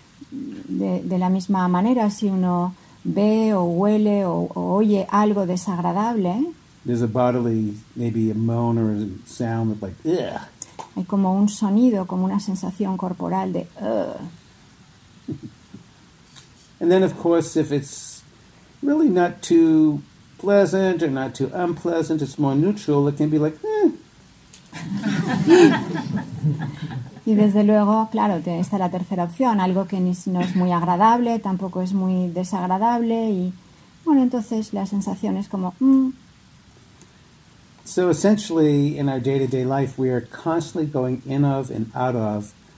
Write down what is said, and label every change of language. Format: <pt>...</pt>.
<es>de la misma manera, si uno ve o huele o oye algo desagradable,</es> <en>there's a bodily, maybe a moan or a sound of like, ugh.</en> <es>Hay como un sonido, como una sensación corporal de, ugh.</es> <en>And then, of course, if it's really not too pleasant or not too unpleasant, it's more neutral, it can be like, eh.</en> <es>Y desde luego, claro, está la tercera opción, algo que no es muy agradable, tampoco es muy desagradable, y bueno, entonces la sensación es como,</es> <en>So essentially, in our day-to-day life, we are constantly going in of and out of,</en>